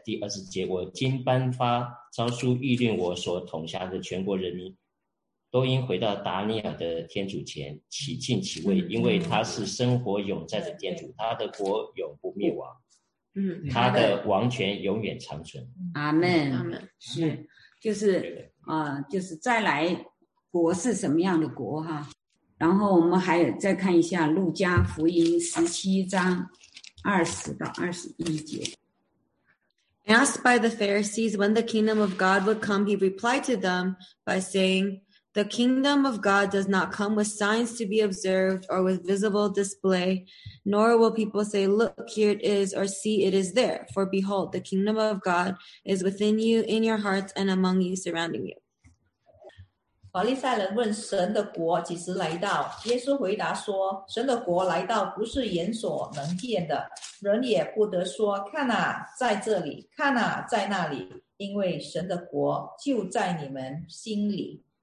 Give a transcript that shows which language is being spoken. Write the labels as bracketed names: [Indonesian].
[Chinese] 第二十节，我今颁发诏书谕令我所统辖的全国人民，都应回到达尼尔的天主前起敬其位，因为他是生活永在的天主，他的国永不灭亡，他的王权永远长存。阿们，是就是再来国是什么样的国哈。然后我们还有再看一下路加福音十七章二十到二十一节。 [English] Asked by the Pharisees when the kingdom of God would come, he replied to them by saying, "The kingdom of God does not come with signs to be observed or with visible display, nor will people say, 'Look, here it is,' or 'See, it is there.' For behold, the kingdom of God is within you, in your hearts, and among you, surrounding you." [Chinese] 法利赛人问神的国几时来到，耶稣回答说，神的国来到不是眼所能见的，人也不得说看啊在这里，看啊在那里，因为神的国就在你们心里。